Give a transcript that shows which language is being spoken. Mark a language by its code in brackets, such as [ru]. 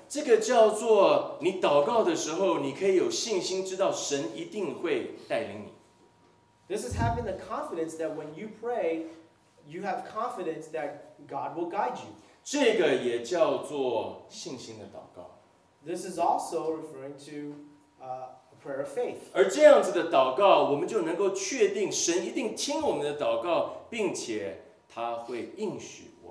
[zh] 这个叫做你祷告的时候，你可以有信心知道神一定会带领你。 [en] This is having the confidence that when you pray, you have confidence that God will guide you. [zh] 这个也叫做信心的祷告。 [en] This is also referring to a prayer of faith. [zh] 而这样子的祷告，我们就能够确定神一定听我们的祷告，并且他会应许。